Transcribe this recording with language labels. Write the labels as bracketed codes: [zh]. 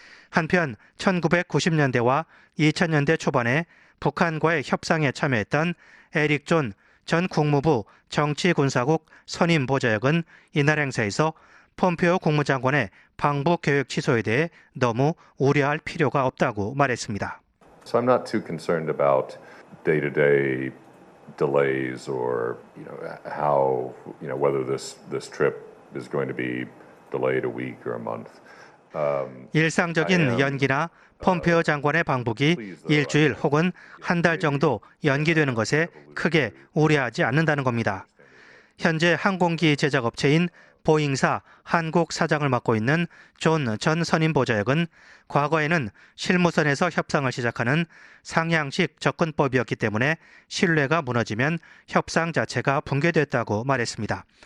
[ko] 한편 1990년대와 2000년대 초반에 북한과의 협상에 참여했던 에릭 존 전 국무부 정치군사국 선임보좌역은 이날 행사에서 폼페오 국무장관의 방북 계획 취소에 대해 너무 우려할 필요가 없다고 말했습니다. [en] So I'm not too concerned about day-to-day delays or you know how you know whether this trip is going to be delayed a week or a month. [ko] 일상적인 연기나 폼페오 장관의 방북이 일주일 혹은 한 달 정도 연기되는 것에 크게 우려하지 않는다는 겁니다. 현재 항공기 제작업체인 보잉사 한국 사장을 맡고 있는 존 전 선임보좌역은 과거에는 실무선에서 협상을 시작하는 상향식 접근법이었기 때문에 신뢰가 무너지면 협상 자체가 붕괴됐다고 말했습니다.